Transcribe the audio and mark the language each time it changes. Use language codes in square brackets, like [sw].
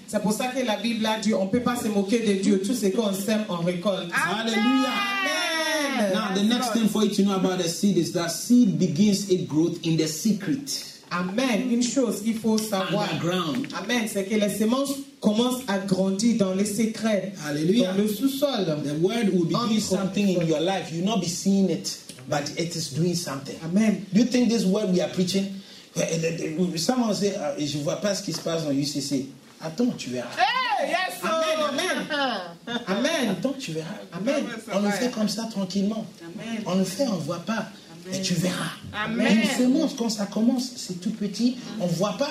[fr] C'est pour ça que la Bible a dit, on ne peut pas se moquer de Dieu. Tout ce qu'on sème, on récolte. Alléluia. Amen. [en] Now, the next thing for you to know about the seed is that seed begins its growth in the secret. [fr] Amen. Une chose qu'il faut savoir. [en] Underground. Amen. [fr] C'est que les semences commencent à grandir dans les secrets. Alléluia. Dans le sous-sol. [en] The word will be doing something in your life. You'll not be seeing it, but it is doing something. Amen. Do you think this word we are preaching? Someone say, [fr] je ne vois pas ce qui se passe dans UCC. Attends, tu verras. [en] Hey, yes, so. Amen, amen. Amen. [fr] Attends, tu verras. Amen. On le fait comme ça tranquillement. Amen. On le fait, on ne voit pas. Amen. Et tu verras. Amen. Une semence, quand ça commence, c'est tout petit, on ne voit pas.